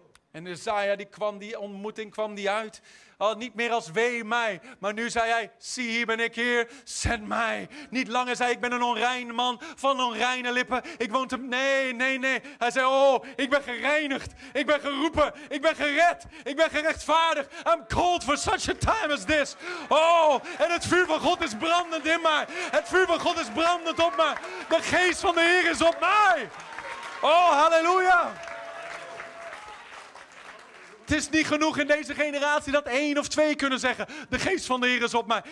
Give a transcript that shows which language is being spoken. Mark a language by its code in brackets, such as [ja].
[nl] En Jesaja die kwam, die ontmoeting kwam die uit. Al niet meer als wee mij. Maar nu zei hij, zie hier ben ik hier, zend mij. Niet langer zei ik ben een onrein man van onreine lippen. Ik woon te... Nee. Hij zei, oh, ik ben gereinigd. Ik ben geroepen. Ik ben gered. Ik ben gerechtvaardigd. [en] I'm called for such a time as this. [nl] Oh, en het vuur van God is brandend in mij. Het vuur van God is brandend op mij. De geest van de Heer is op mij. Oh, halleluja. Het is niet genoeg in deze generatie dat één of twee kunnen zeggen, de geest van de Heer is op mij.